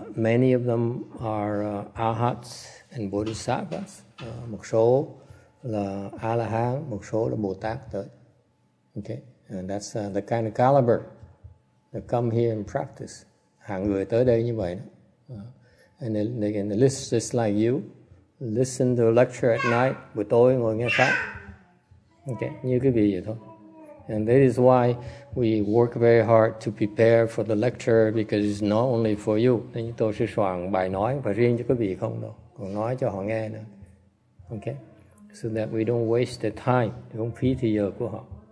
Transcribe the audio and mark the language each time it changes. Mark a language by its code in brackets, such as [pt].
[en] Many of them are arhats and bodhisattvas. [vi] Một số là A-la-hán, một số là Bồ-Tát tới. [en] Okay, and that's the kind of caliber that come here and practice. [vi] Hàng người tới đây như vậy. [en] And they list like you, listen to a lecture at night, [vi] buổi tối ngồi nghe pháp. Okay, như cái gì vậy thôi. [en] And that is why we work very hard to prepare for the lecture, because it's not only for you. [vi] Nên tôi sẽ soạn bài nói và riêng cho quý vị không đâu, còn nói cho họ nghe nữa. [en] Okay, so that we don't waste the time, [vi] không phí thời giờ của họ.